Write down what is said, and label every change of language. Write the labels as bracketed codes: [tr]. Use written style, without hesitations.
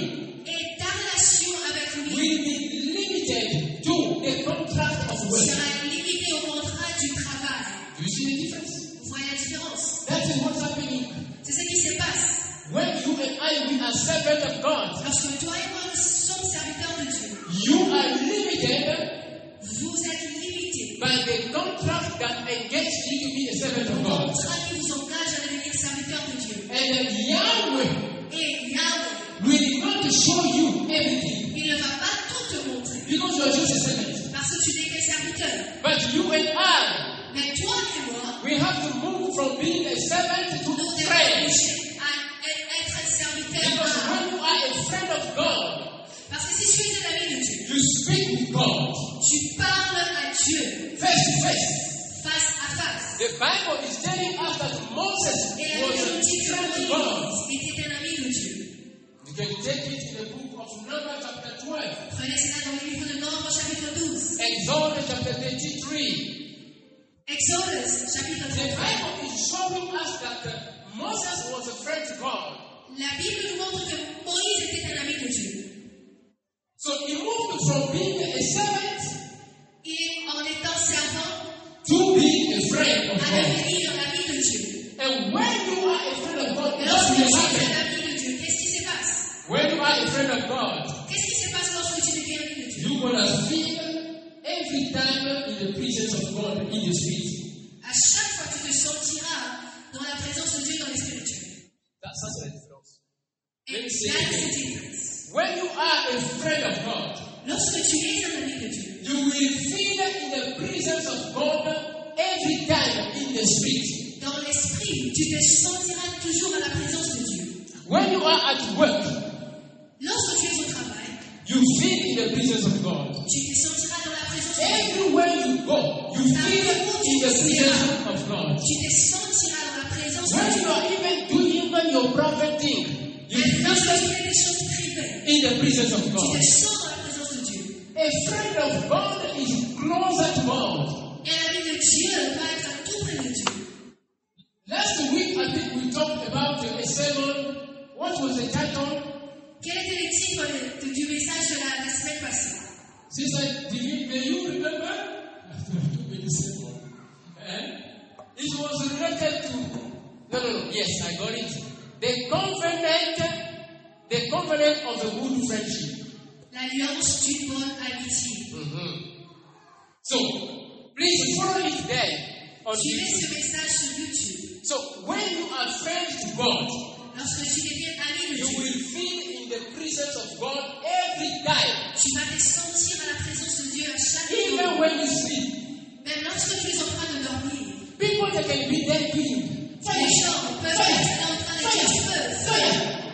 [fr] et ta relation avec lui [en] will be limited to the contract of work. [fr] Sera limité au contrat du travail. [en] Do you see the difference? [fr] Vous voyez la différence? [en] That is what's happening. [fr] C'est ce qui se passe. [en] When you and I we are servants of God. [fr] Lorsque toi et moi nous sommes serviteurs de Dieu. [en] You are limited. [fr] Vous êtes limité. [en] By the contract that engages you to be a servant of God. [fr] Qui vous engage à devenir serviteur de Dieu. [en] And Yahweh. [fr] Et Yahweh. [en] Will not show you everything. [fr] Il ne va pas tout te montrer. [en] Because you are just a servant. [fr] Parce que tu n'es qu'un serviteur. [en] But you and I. [fr] Mais toi et moi. [en] We have to move from being a servant to [fr] nous [en] friend. [fr] Nous devons être un serviteur. [en] Because when you are a friend of God. [fr] Parce que si tu es un ami de Dieu. [en] You speak with God. [fr] Tu parles à Dieu. [en] Face to face. [fr] Face à face. [en] The Bible is telling us that Moses was a friend of God. [fr] Était un ami de Dieu. [en] You can take it in the book of Numbers chapter 12. [fr] Prenez cela dans le livre de Nombres chapitre 12. [en] Exodus chapter 33. [fr] Exodus chapitre [en] The Bible is showing us that Moses was a friend of God. [fr] La Bible nous montre que Moïse était un ami de Dieu. [en] So he moved from being a servant [fr] en étant servant, [en] to being a friend of God. [fr] À devenir un ami de Dieu. [en] And when you are a friend of God, [fr] lorsque tu es un ami de Dieu, qu'est-ce qui se passe? [en] When you are a friend of God, [fr] qu'est-ce qui se passe lorsque tu deviens un ami de Dieu? [en] You're gonna feel every time in the presence of God in the spirit. [fr] À chaque fois tu te sentiras dans la présence de Dieu dans l'esprit. [en] That's the difference. Let me see. That's the difference. When you are a friend of God, [fr] lorsque tu es un ami de Dieu, [en] you will feel in the presence of God every time in the spirit. [fr] Dans l'esprit, tu te sentiras toujours à la présence de Dieu. [en] When you are at work, [fr] lorsque tu es au travail, [en] you feel in the presence of God. [fr] Tu te sentiras dans la présence de Dieu. [en] Everywhere you go, you feel in the presence of God. [fr] Tu te sentiras dans la présence [en] when [fr] de Dieu. [en] When you are even doing even your private thing, you feel in the presence of God. [fr] Tu te sens dans la présence de Dieu. [en] A friend of God is closer to God. [fr] Un ami de Dieu va être tout près de Dieu. [en] Last week, I think we talked about a sermon. What was the title? [fr] Quel était le titre du message de la semaine passée? [en] She said, "Do you, remember?" After I told the same one. And it was related to. Yes, I got it. The covenant of the good friendship. [fr] L'alliance du bon amitié. [en] Mm-hmm. So, please follow it there on YouTube. [fr] Suivez ce message sur YouTube. [en] So, when you are friends to God, [fr] lorsque tu deviens ami de Dieu, [en] you will feel in the presence of God every time. [fr] Tu vas te sentir à la présence de Dieu à chaque [en] Even [fr] jour. [en] When you sleep. [fr] Même lorsque tu es en train de dormir. [en] People that can be dead to you. Fire. [fr] Les gens peuvent être en train de dire feu.